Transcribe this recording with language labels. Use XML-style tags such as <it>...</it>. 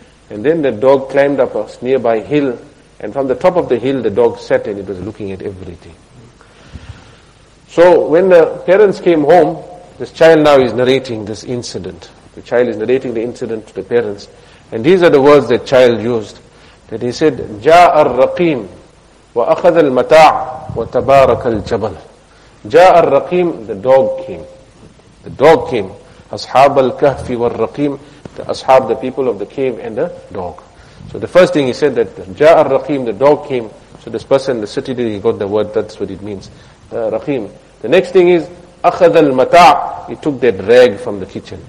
<en>And then the dog climbed up a nearby hill, and from the top of the hill the dog sat and it was looking at everything. So when the parents came home, this child now is narrating this incident. The child is narrating the incident to the parents. And these are the words that child used. That he said,</en> <ar>جَاءَ الرَّقِيمُ وَأَخَذَ الْمَتَاعُ وَتَبَارَكَ الْجَبَلُ جَاءَ الرَّقِيمُ,</ar> <en>the dog came. The dog came.</en> <ar>أَصْحَابَ الْكَهْفِ وَالرَّقِيمُ,</ar> <en>the ashab, the people of the cave, and the dog. So the first thing he said that Ja'ar Raqim, the dog came. So this person, the city, he got the word, that's what it means, Raqim. The next thing is Akhad al Mata', he took that rag from the kitchen.</en>